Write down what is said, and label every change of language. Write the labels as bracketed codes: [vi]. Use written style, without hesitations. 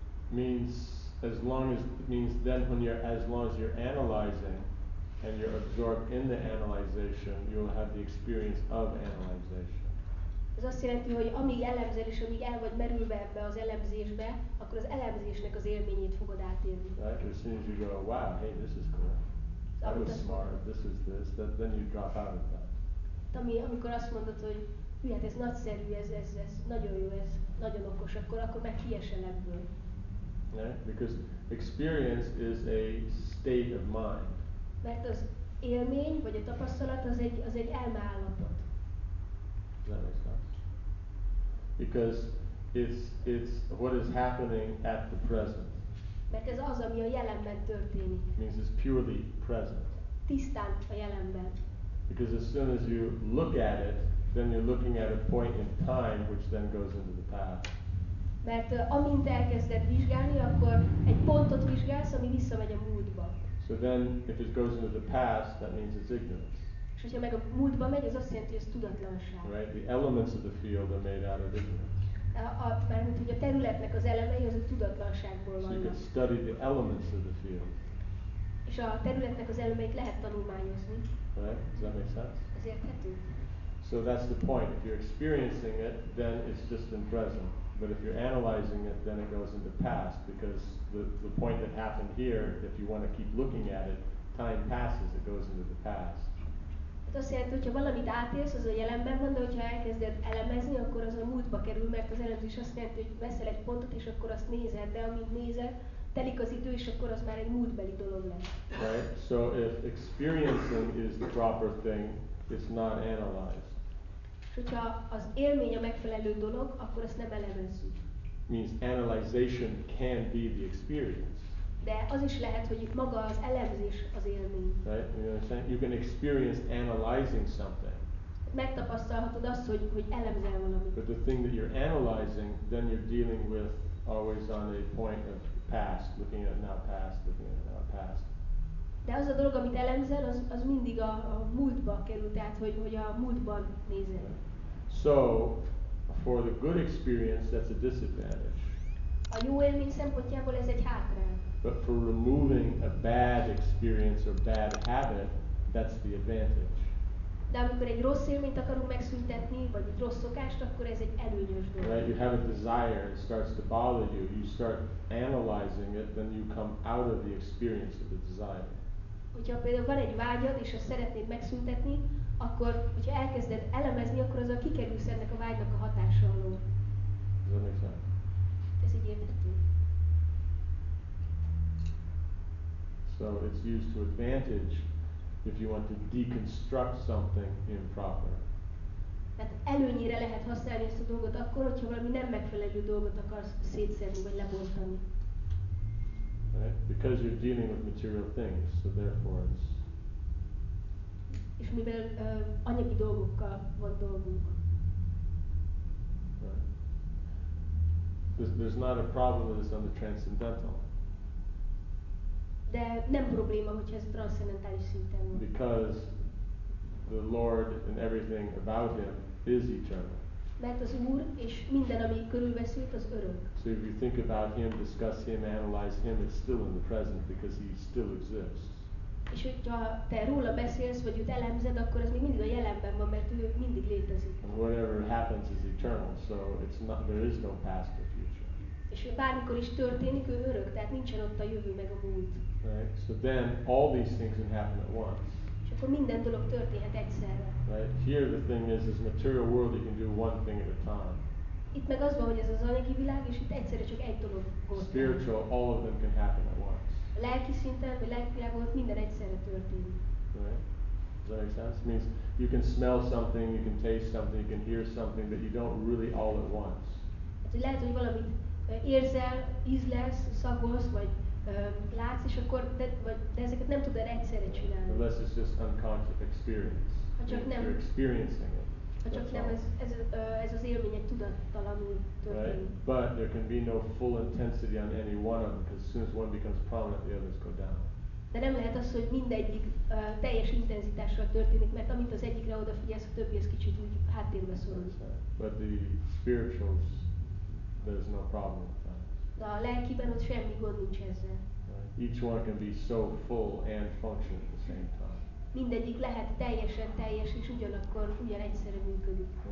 [en] Means as long as means then when you're as long as you're analyzing and you're absorbed in the analyzation, you will have the experience of analyzation. [hu] Ez azt jelenti, hogy amíg elemzel és amíg el vagy merülve ebbe az elemzésbe, akkor az elemzésnek az élményét fogod átélni. [en] Right, as soon as you go, wow, hey, this is cool. That was smart, this is this, then you drop out of that. [hu] Amikor azt mondod, hogy hülyet, ez nagyszerű, ez nagyon jó, ez nagyon okos, akkor meg kiesel ebből. [en] Yeah, because experience is a state of mind. [hu] Mert az élmény vagy a tapasztalat az egy elmeállapot. [en] That makes sense. Because it's what is happening at the present. [hu] Mert ez az, ami a jelenben történik. [en] Means it's purely present. [hu] Tisztán a jelenben. [en] Because as soon as you look at it, then you're looking at a point in time, which then goes into the past. [hu] Mert amint elkezded vizsgálni, akkor egy pontot vizsgálsz, ami visszamegy a múltba. [en] So then, if it goes into the past, that means it's ignorance. [hu] És hogyha meg a múltba megy, az azt jelenti, hogy ez tudatlanság. [en] Right, the elements of the field are made out of ignorance. [hu] Mármint, hogy a területnek az elemei, az a tudatlanságból vannak. [en] So you can study the elements of the field. [hu] És a területnek az elemeit lehet tanulmányozni. [en] Right, does that make sense? [hu] Ez érthető. [en] So that's the point. If you're experiencing it, then it's just in present. But if you're analyzing it, then it goes into past. Because the point that happened here, if you want to keep looking at it, time passes, it goes into the past. [hu] Hát azt jelenti, hogyha valamit átélsz, az a jelenben van, de hogyha elkezded elemezni, akkor az a múltba kerül, mert az elemzés azt jelenti, hogy veszel egy pontot, és akkor azt nézed, de amint nézed, telik az idő, és akkor az már egy múltbeli dolog lesz. [en] Right? So if experiencing is the proper thing, it's not analyzed. [hu] És hogyha az élmény a megfelelő dolog, akkor azt nem elemezzük. [en] Means analyzation can be the experience. [hu] De az is lehet, hogy itt maga az elemzés az élmény. [en] Right? You understand? You can experience analyzing something. [hu] megtapasztalhatod azt, hogy elemzel valamit. [en] But the thing that you're analyzing, then you're dealing with always on a point of past, looking at now past, looking at now past. [hu] De az a dolog, amit elemzel, az mindig a múltba kerül, tehát hogy a múltban nézel. [en] So, for the good experience, that's a disadvantage. [hu] A jó élmény szempontjából ez egy hátrány. [en] But for removing a bad experience or bad habit, that's the advantage. [hu] De amikor egy rossz élményt akarunk megszüntetni, vagy egy rossz szokást, akkor ez egy előnyös dolog. [en] Right, you have a desire, it starts to bother you, you start analyzing it, then you come out of the experience of the desire. [hu] Hogyha például van egy vágyad, és azt szeretnéd megszüntetni, akkor, hogyha elkezded elemezni, akkor azzal kikerülsz ennek a vágynak a hatása alól. [en] Does that make sense? [hu] Ez így érthető. [en] So it's used to advantage if you want to deconstruct something improper. [hu] Tehát előnyére lehet használni ezt a dolgot akkor, hogyha valami nem megfelelő dolgot akarsz szétszedni vagy lebontani. [en] Right? Because you're dealing with material things, so therefore it's... [hu] És mivel anyagi dolgokkal van dolgunk. [en] Right. There's not a problem with this on the transcendental. [hu] De nem probléma, hogyha ez transzcendentális szinten van. [en] Because the Lord and everything about him is eternal. [hu] Mert az Úr és minden, ami körülvesz őt, az örök. [en] So if you think about him, discuss him, analyze him, it's still in the present because he still exists. [hu] És hogyha te róla beszélsz, vagy őt elemzed, akkor ez még mindig a jelenben van, mert ő mindig létezik. [en] And whatever happens is eternal, so it's not, there is no past or future. [hu] És bármikor is történik, ő örök, tehát nincsen ott a jövő meg a múlt. [en] Right. So then all these things can happen at once. [hu] És akkor minden dolog történhet egyszerre. [en] Right. Here the thing is, this material world you can do one thing at a time. [hu] Itt meg az van, hogy ez az anyagi világ, és itt egyszerre csak egy dolog volt. [en] Spiritual, all of them can happen at once. [hu] A lelki szinten, vagy lelki világon ott minden egyszerre történik. [en] Right. Does that make sense? It means you can smell something, you can taste something, you can hear something, but you don't really all at once. [hu] Hát, hogy lehet, hogy valamit érzel, ízlesz, szagolsz, vagy látsz, és akkor de ezeket nem tudod egyszerre csinálni. [en] Unless it's just unconscious experience. [hu] Ha csak nem. [en] You're experiencing it. [hu] Ha csak nem, ez az élmény egy tudattalanul történik. [en] Right? But there can be no full intensity on any one of them, because as soon as one becomes prominent, the others go down. [hu] De nem lehet az, hogy mindegyik teljes intenzitással történik, mert amit az egyikre odafigyelsz, a többi az kicsit úgy háttérbe szorul. [en] But the spirituals, there's no problem with that. [hu] De a lelkiben ott semmi gond nincs ezzel. [en] Each one can be so full and function at the same time. [hu] Mindegyik lehet teljesen teljes és ugyanakkor ugyan egyszerre működik.